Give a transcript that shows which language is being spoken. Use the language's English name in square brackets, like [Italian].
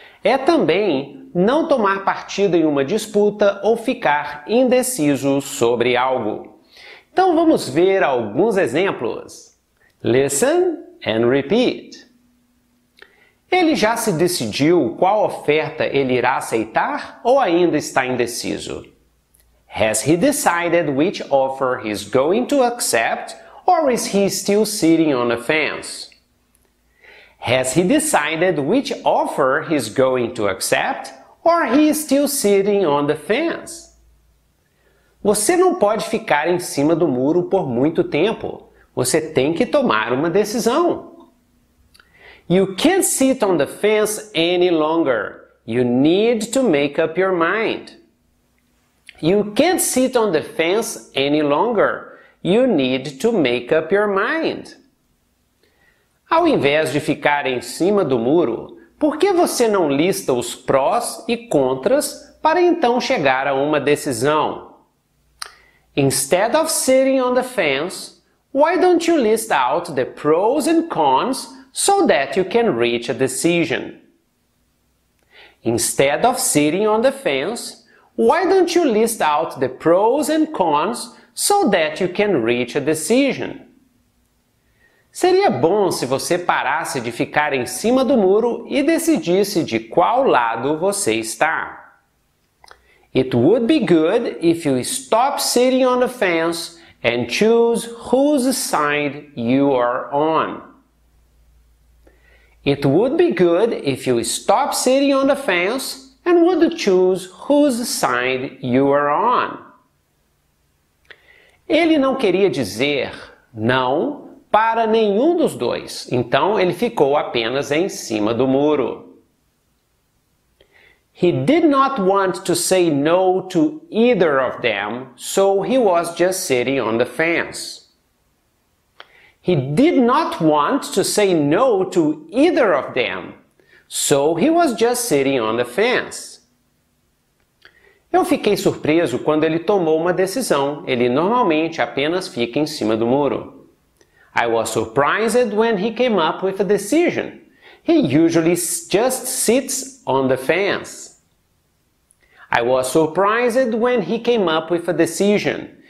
[Portuguese] É também não tomar partido em uma disputa ou ficar indeciso sobre algo. Então vamos ver alguns exemplos. [English] Listen and repeat. [Portuguese] Ele já se decidiu qual oferta ele irá aceitar ou ainda está indeciso? [English] Has he decided which offer he's going to accept or is he still sitting on the fence? Has he decided which offer he's going to accept or he is still sitting on the fence? [Portuguese] Você não pode ficar em cima do muro por muito tempo. Você tem que tomar uma decisão. [English] You can't sit on the fence any longer. You need to make up your mind. You can't sit on the fence any longer. You need to make up your mind. [Portuguese] Ao invés de ficar em cima do muro, por que você não lista os prós e contras para então chegar a uma decisão? [English] Instead of sitting on the fence, why don't you list out the pros and cons so that you can reach a decision? Instead of sitting on the fence, why don't you list out the pros and cons so that you can reach a decision? [Portuguese] Seria bom se você parasse de ficar em cima do muro e decidisse de qual lado você está. [English] It would be good if you stop sitting on the fence and choose whose side you are on. It would be good if you stop sitting on the fence and would choose whose side you are on. [Portuguese] Ele não queria dizer não para nenhum dos dois, então ele ficou apenas em cima do muro. [English] He did not want to say no to either of them, so he was just sitting on the fence. He did not want to say no to either of them, so he was just sitting on the fence. [Portuguese] Eu fiquei surpreso quando ele tomou uma decisão. Ele normalmente apenas fica em cima do muro. [English] I was surprised when he came up with a decision. He usually just sits on the fence. I was surprised when he came up with a decision.